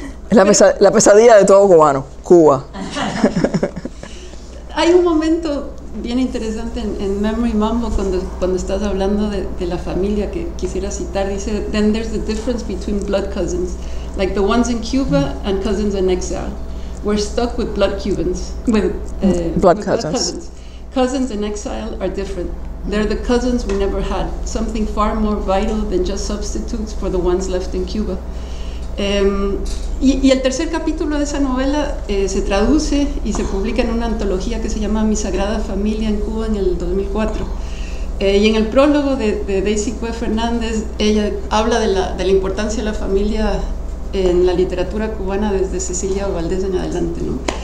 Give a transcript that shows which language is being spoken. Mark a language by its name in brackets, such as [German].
[Spanish] Es la pesadilla de todo cubano, Cuba. Hay un momento bien interesante en Memory Mambo cuando estás hablando de la familia que quisiera citar. [English] Dice, then there's the difference between blood cousins, like the ones in Cuba and cousins in exile. We're stuck with blood Cubans, with blood cousins. Cousins in exile are different. They're the cousins we never had, something far more vital than just substitutes for the ones left in Cuba. [Spanish] Y el tercer capítulo de esa novela se traduce y se publica en una antología que se llama Mi Sagrada Familia en Cuba en el 2004. Y en el prólogo de Daisy Cue Fernández, ella habla de la importancia de la familia en la literatura cubana desde Cecilia Valdés en adelante, ¿no?